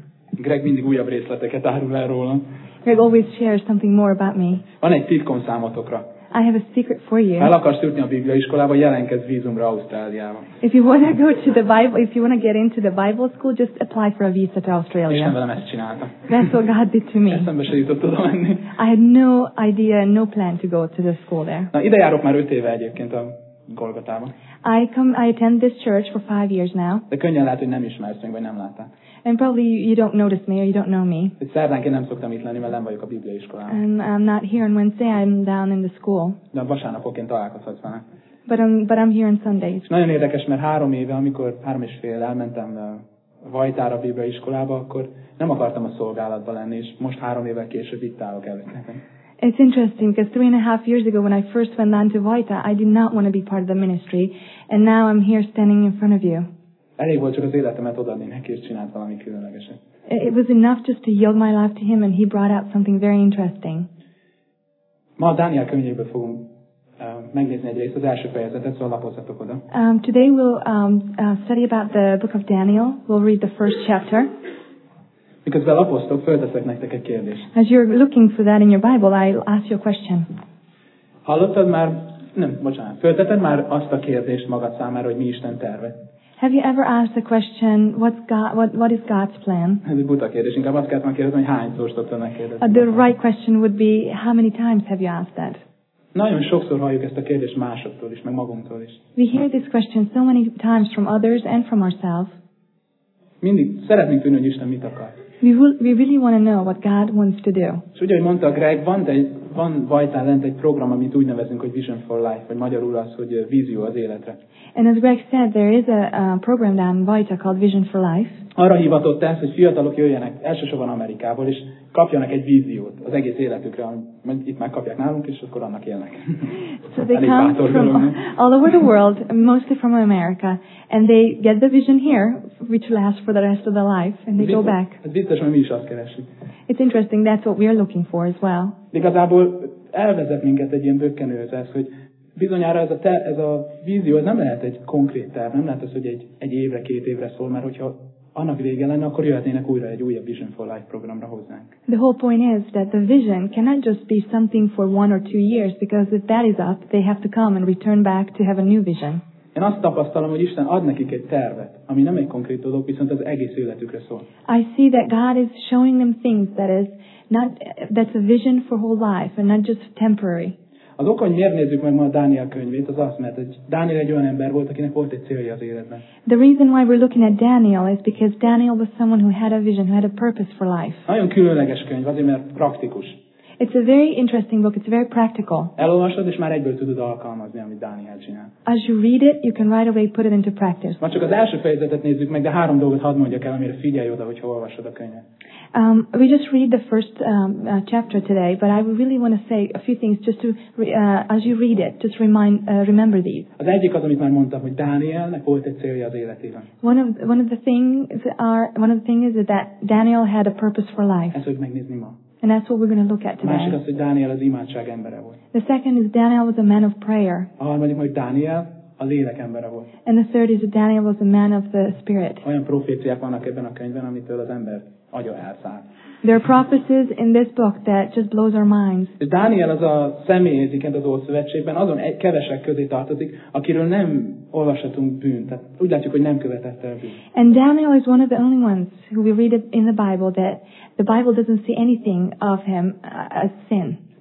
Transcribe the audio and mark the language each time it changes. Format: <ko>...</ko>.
<hu>Greg mindig újabb részleteket árul el rólam.</hu> <en>Greg always shares something more about me.</en> <hu>Van egy titkom számotokra.</hu> <en>I have a secret for you.</en> <hu>Ha el akarsz jutni a Bibliaiskolába, jelentkezz vízumra Ausztráliába.</hu> <en>If you want to go to the Bible, if you want to get into the Bible school, just apply for a visa to Australia.</en> <hu>Isten velem ezt csinálta.</hu> <en>That's what God did to me.</en> <hu>Eszembe se jutott oda menni.</hu> <en>I had no idea, no plan to go to the school there.</en> <hu>Na, ide járok már 5 éve egyébként a Golgotában.</hu> <en>I attend this church for 5 years now.</en> <hu>De könnyen lehet, hogy nem ismersz meg, vagy nem láttál.</hu> <en>And probably you don't notice me or you don't know me.</en> <hu>Szerdánként nem szoktam itt lenni, mert nem vagyok a Bibliaiskolában.</hu> <en>And I'm not here on Wednesday, I'm down in the school.</en> <hu>De vasárnapokként találkozhatsz vele.</hu> <en>But I'm here on Sundays.</en> <hu>Nagyon érdekes, mert 3 éve, amikor 3,5 elmentem Vajtára a Bibliaiskolába, akkor nem akartam a szolgálatba lenni, és most 3 évvel később itt állok előttetek.</hu> <en>It's interesting because 3.5 years ago when I first went on to Vajta, I did not want to be part of the ministry, and now I'm here standing in front of you.</en> <hu>Elég volt csak az életemet odaadni neki, és csinált valami különlegeset.</hu> <en>It was enough just to yield my life to him, and he brought out something very interesting.</en> <hu>Ma a Dániel könyvéből fogunk megnézni egy részt, az első fejezetet, szóval lapozzatok oda.</hu> <en>Today we'll study about the book of Daniel. We'll read the first chapter.</en> <hu>Miközben lapoztok, fölteszek nektek egy kérdést.</hu> <en>As you're looking for that in your Bible, I'll ask you a question.</en> <hu>Hallottad már, nem, bocsánat, fölteted már azt a kérdést magad számára, hogy mi Isten terve?</hu> <en>Have you ever asked the question, what is God's plan?</en> <hu>Ez egy buta kérdés, inkább azt kellett már kérdezni, hogy hányszor szoktad megkérdezni.</hu> <en>The right question would be, how many times have you asked that?</en> <hu>Nagyon sokszor halljuk ezt a kérdést másoktól is, meg magunktól is.</hu> <en>We hear this question so many times from others and from ourselves.</en> <hu>Mindig szeretnénk tudni, hogy Isten mit akar.</hu> <en>We really want to know what God wants to do.</en> <hu>És ugye, ahogy mondta Greg, van Vajtán lent egy program, amit úgy nevezünk, hogy Vision for Life, vagy magyarul az, hogy vízió az életre.</hu> <en>And as Greg said, there is a program down Vajta called Vision for Life.</en> <hu>Arra hivatott ez, hogy fiatalok jöjjenek elsősorban Amerikából, és kapjanak egy víziót az egész életükre, amit itt már kapják nálunk, és akkor annak élnek.</hu> <en>So they come from all over the world, mostly from America, and they get the vision here, which lasts for the rest of their life, and they go back.</en> <hu>Ez biztos, hogy mi is azt keresünk.</hu> <en>It's interesting, that's what we are looking for as well.</en> <hu>De igazából elvezet minket egy ilyen bökkenőhöz ez, hogy bizonyára ez a vízió ez nem lehet egy konkrét terv, nem lehet az, hogy egy évre, két évre szól, mert hogyha annak vége lenne, akkor jöhetnének újra egy újabb Vision for Life programra hozzánk.</hu> <en>The whole point is that the vision cannot just be something for 1 or 2 years, because if that is up, they have to come and return back to have a new vision.</en> <hu>Én azt tapasztalom, hogy Isten ad nekik egy tervet, ami nem egy konkrét dolog, viszont az egész életükre szól.</hu> <en>I see that God is showing them things that is not that's a vision for whole life and not just temporary.</en> <hu>Az oka, hogy miért nézzük meg ma a Dániel könyvét, az az, mert Dániel egy olyan ember volt, akinek volt egy célja az életben.</hu> <en>The reason why we're looking at Daniel is because Daniel was someone who had a vision, who had a purpose for life.</en> <hu>Nagyon különleges könyv, azért mert praktikus.</hu> <en>It's a very interesting book, it's very practical.</en> <hu>Elolvasod, és már egyből tudod alkalmazni, amit Dániel csinál.</hu> <en>As you read it, you can right away put it into practice.</en> <hu>Ma csak az első fejezetet nézzük meg, de 3 dolgot hadd mondjak el, amire figyelj oda, hogyha olvasod a könyvet.</hu> <en>We just read the first chapter today, but I really want to say a few things just to, as you read it, just remember these.</en> <hu>Az egyik az, amit már mondtam, hogy Dánielnek volt egy célja az életében.</hu> <en>One of the things is that Daniel had a purpose for life.</en> <hu>Ezt fogjuk megnézni ma.</hu> <en>And that's what we're going to look at today.</en> <hu>Másik az, hogy Dániel az imádság embere volt.</hu> <en>The second is Daniel was a man of prayer.</en> <hu>A harmadik, hogy Dániel a lélek embere volt.</hu> <en>And the third is that Daniel was a man of the spirit.</en> <hu>Olyan proféciák vannak ebben a könyvben, amitől az ember agya elszáll.</hu> <en>There are prophecies in this book that just blows our minds.</en> <hu>Dániel az a személy egyébként az Ószövetségben, azon egy kevesek közé tartozik, akiről nem olvashatunk bűnt. Tehát úgy látjuk, hogy nem követett el bűnt.</hu> <en>And Daniel is one of the only ones who we read in the Bible that the Bible doesn't see anything of him as sin.</en>